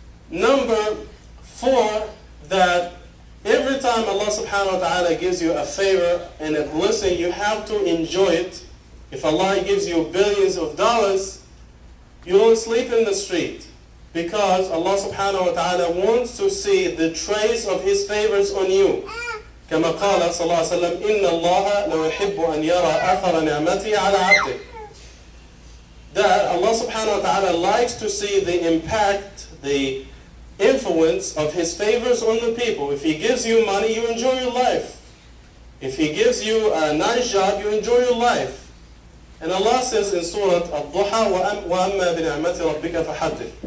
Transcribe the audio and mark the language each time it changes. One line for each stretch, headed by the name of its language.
English: Number four, that every time Allah subhanahu wa ta'ala gives you a favor and a blessing, you have to enjoy it. If Allah gives you billions of dollars, you don't sleep in the street, because Allah subhanahu wa ta'ala wants to see the trace of His favors on you.
Arabic: كما قال صلى الله عليه وسلم إن الله لو يحب أن يرى أثر نعمتي على عبده.
English: That Allah subhanahu wa ta'ala likes to see the impact, the influence of His favors on the people. If He gives you money, you enjoy your life. If He gives you a nice job, you enjoy your life. And Allah says in Surah Al-Duha,
Arabic: وَأَمَّا بِنِعْمَةِ رَبِّكَ فَحَدِّثْ.